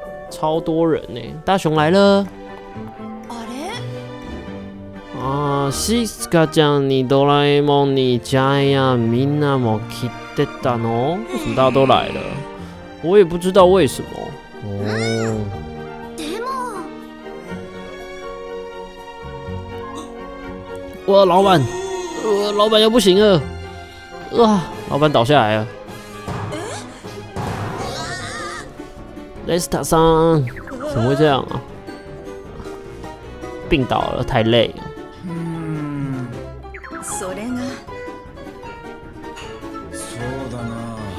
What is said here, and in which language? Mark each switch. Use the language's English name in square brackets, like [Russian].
[Chinese] 超多人呢、欸！大雄来了。 [Japanese] 啊，しずかちゃんにドラえもんにジャイアンみんなも来てたの？ [Chinese] 为什么大家都来了？我也不知道为什么。哦。でも，哇，老板，老板要不行了，哇、老板倒下来了。雷斯塔桑，怎么会这样啊？病倒了，太累了。嗯，それが、そうだな。